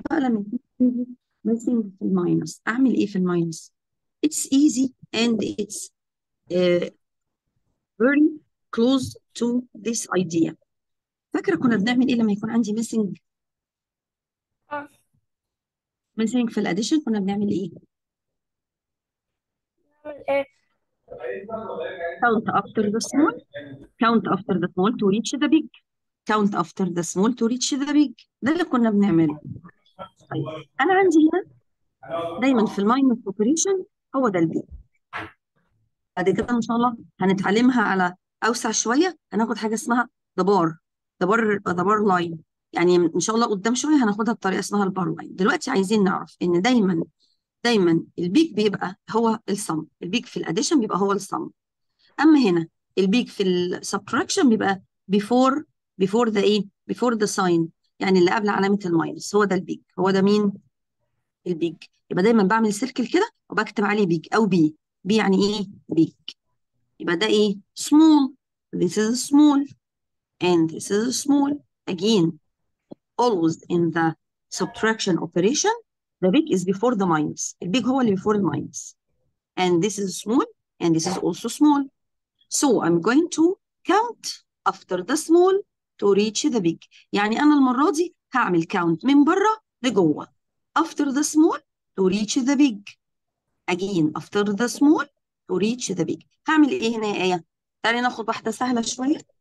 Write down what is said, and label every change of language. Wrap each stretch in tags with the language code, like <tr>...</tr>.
<ar>بقى لما ميسنج في الماينس، أعمل إيه في الماينس؟</ar> <en>It's easy and it's very close to this idea.</en> <ar>فاكرة كنا بنعمل إيه لما يكون عندي ميسنج؟ ميسنج في الأديشن كنا بنعمل إيه؟ نعمل ايه؟</ar> <en>Count after the small, count after the small to reach the big. Count after the small to reach the big.</en> <ar>ده اللي كنا بنعمله. طيب انا عندي هنا دايما في الماينس اوبريشن هو ده البيج. بعد كده ان شاء الله هنتعلمها على اوسع شويه، هناخد حاجه اسمها دبار. دبار دبار لاين. يعني ان شاء الله قدام شويه هناخدها بطريقه اسمها البار لاين. دلوقتي عايزين نعرف ان دايما دايما البيج بيبقى هو الصم. البيج في الاديشن بيبقى هو الصم. اما هنا البيج في السبتراكشن بيبقى بيفور ذا ايه؟ بيفور ذا ساين، يعني اللي قبل علامه الماينس، هو ده البيج. هو ده مين؟ البيج. يبقى دايما بعمل سيركل كده وبكتب عليه بيج او بي. بي يعني ايه؟ بيج. يبقى ده ايه؟ سمول.</ar> <en>This is small and this is small. Again, always in the subtraction operation, the big is before the minus.</en> <ar>البيج هو اللي before الماينس.</ar> <en>And this is small and this is also small. So I'm going to count after the small to reach the big.</en> <ar>يعني أنا المرة دي هعمل count من بره لجوه.</ar> <en>After the small to reach the big. Again, after the small to reach the big.</en> <ar>هعمل إيه هنا يا آية؟ تعالي ناخد واحدة سهلة شوية.</ar>